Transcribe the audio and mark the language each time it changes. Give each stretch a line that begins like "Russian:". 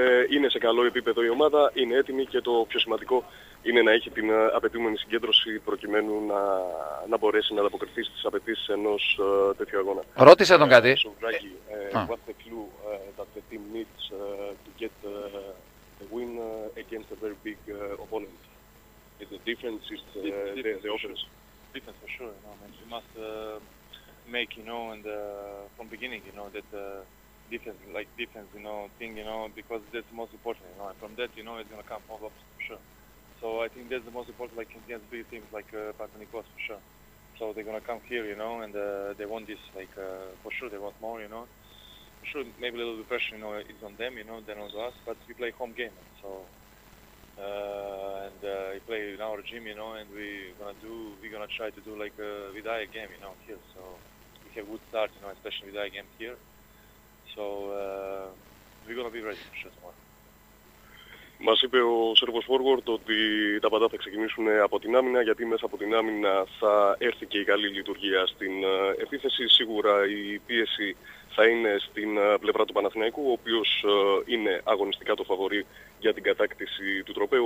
Greek: Είναι σε καλό επίπεδο η ομάδα, είναι έτοιμη και το πιο σημαντικό είναι να έχει την απαιτούμενη συγκέντρωση προκειμένου να μπορέσει να ανταποκριθεί στις απαιτήσεις ενός τέτοιου αγώνα. Ρώτησε τον κάτι.
English: What's the clue that the team needs to get a win against a very big opponent? Is the defense is the offense? Defense for sure. No, man. You must make, you know, and from beginning, you know, that defense, like defense, you know, thing, you know, because that's the most important, you know, and from that, you know, it's gonna come all up for sure. So I think that's the most important, like against big teams like Panathinaikos for sure. So they're gonna come here, you know, and they want this, like for sure they want more, you know. For sure, maybe a little bit pressure, you know, is on them, you know, than on us. But we play home game, so and we play in our gym, you know, and we're gonna try to do like a Vidaia game, you know, here. So we have good start, you know, especially Vidaia game here. So we're gonna be ready for sure tomorrow.
Greek: Μας είπε ο Σέρβος Φόργουαρντ ότι τα πάντα θα ξεκινήσουν από την άμυνα, γιατί μέσα από την άμυνα θα έρθει και η καλή λειτουργία στην επίθεση. Σίγουρα η πίεση θα είναι στην πλευρά του Παναθηναϊκού, ο οποίος είναι αγωνιστικά το φαβορί για την κατάκτηση του τροπέου.